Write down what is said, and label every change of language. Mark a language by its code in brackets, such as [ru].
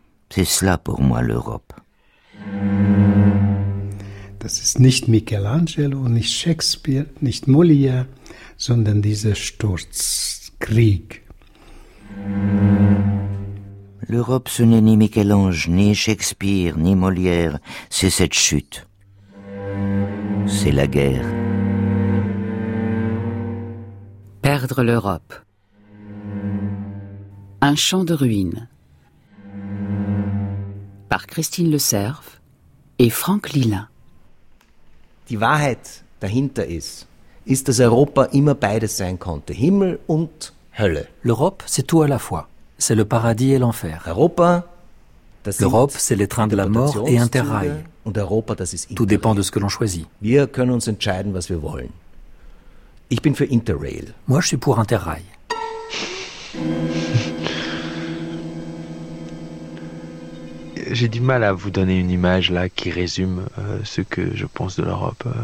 [fr] C'est cela pour moi l'Europe. [de] Das ist nicht Michelangelo, nicht Shakespeare, nicht Molière, sondern dieser Sturzkrieg. [fr] L'Europe, ce n'est ni Michel-Ange, ni Shakespeare, ni Molière, c'est cette chute. C'est la guerre. Perdre l'Europe. Un champ de ruines. Par Christine Le Cerf et Franck Lilin. [de] Die Wahrheit dahinter ist, dass Europa immer beides sein konnte, Himmel und Hölle. [fr] L'Europe, c'est tout à la fois. C'est le paradis et l'enfer. [de] Europa, [fr] l'Europe, c'est les trains de la mort et Interrail. [de] Und Europa, das ist [fr] tout dépend de ce que l'on choisit. [de] Wir können uns entscheiden, was wir wollen. Ich bin für Interrail. [fr] Moi, je suis pour Interrail. J'ai du mal à vous donner une image là qui résume ce que je pense de l'Europe.